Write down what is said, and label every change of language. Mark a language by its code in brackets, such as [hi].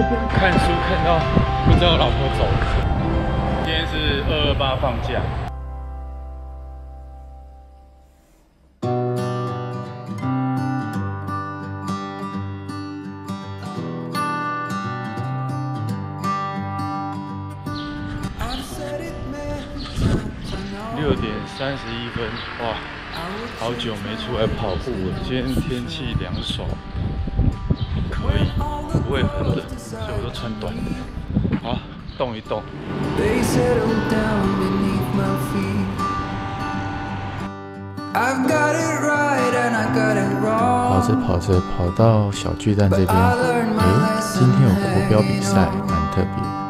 [zh] 看书看到不知道老婆走了。228放假，6:31，哇，好久没出来跑步了。今天天气凉爽，可以，不会很冷，所以我都穿短的。好，动一动。 [en] They settle down beneath my feet. I've got it right and I got it wrong. [zh] 跑着跑着跑到小巨蛋这边，诶，今天有国标比赛，蛮特别。